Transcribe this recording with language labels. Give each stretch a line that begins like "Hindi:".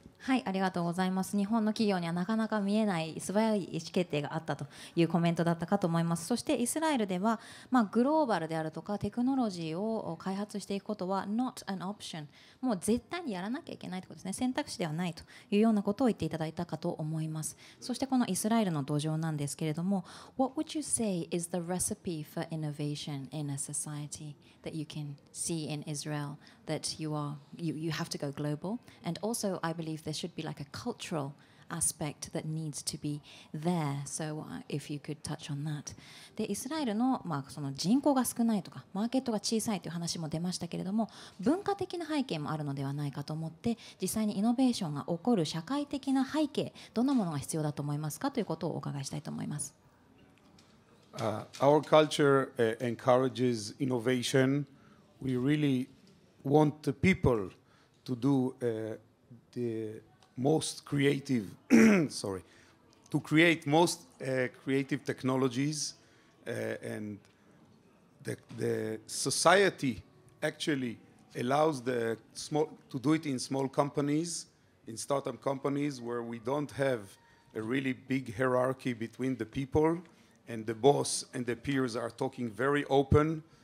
Japanese: はい、ありがとうございます。日本の企業にはなかなか見えない素早い意思決定があったというコメントだったかと思います。そしてイスラエルでは、まあ、グローバルであるとかテクノロジーを開発していくことは
English: not an option、
Japanese: もう絶対にやらなきゃいけないということですね。選択肢ではないというようなことを言っていただいたかと思います。そしてこのイスラエルの土壌なんですけれども、
English: What would you say is the recipe for innovation in a society that you can see in Israel that you have to go global? And also I believeThere should be like a cultural aspect that needs to be there. So, if you could touch on that.
Japanese: で、イスラエルの、まあ、その人口が少ないとか、マーケットが小さいという話も出ましたけれども、文化的な背景もあるのではないかと思って、実際にイノベーションが起こる社会的な背景、どんなものが必要だと思いますかということをお伺いしたいと思います。
English: Our culture encourages innovation. We really want the people to do the most creative, sorry, to create most creative technologies, and the society actually allows the small to do it in small companies, in startup companies where we don't have a really big hierarchy between the people, and the boss and the peers are talking very open.